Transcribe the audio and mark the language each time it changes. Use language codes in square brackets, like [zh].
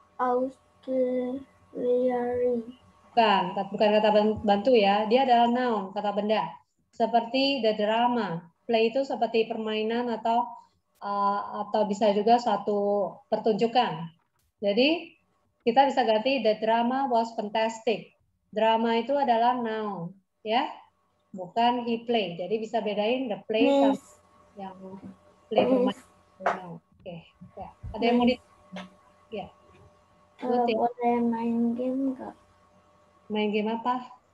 [en] Auxiliary. [id] Bukan, bukan kata bantu ya. Dia adalah noun, kata benda. Seperti the drama. Play itu seperti permainan atau bisa juga suatu pertunjukan. Jadi kita bisa ganti [en] the drama was fantastic. [id] Drama itu adalah noun, ya, bukan he play. Jadi bisa bedain the play Miss. Sama yang play permainan. Oke, ya. Ada yang mau di? Ya. Boleh main game nggak? Main game apa?